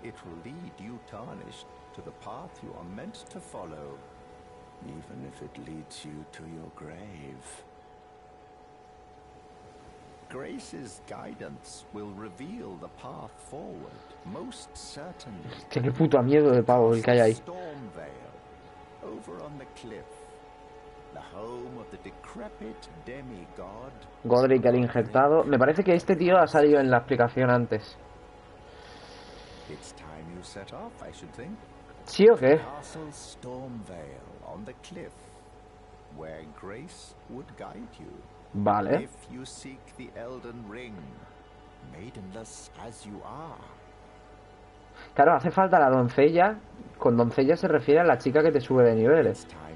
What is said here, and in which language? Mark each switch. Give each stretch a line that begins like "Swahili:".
English: It will lead you tarnished to the path you are meant to follow, even if it leads you to your grave. Grace's guidance will reveal the path forward, most certainly.
Spanish: Tiene puta miedo de pavo el que hay ahí.
English: Storm Vale, over on the cliff. The home of the decrepit demigod.
Spanish: Godric el injertado. Me parece que este tío ha salido en la explicación antes.
English: It's time you set off, I should think.
Spanish: ¿Sí o qué?
English: Castle Stormvale on the cliff, where grace would guide you.
Spanish: Vale.
English: If you seek the Elden Ring, maidenless as you are.
Spanish: Claro, hace falta la doncella. Con doncella se refiere a la chica que te sube de niveles.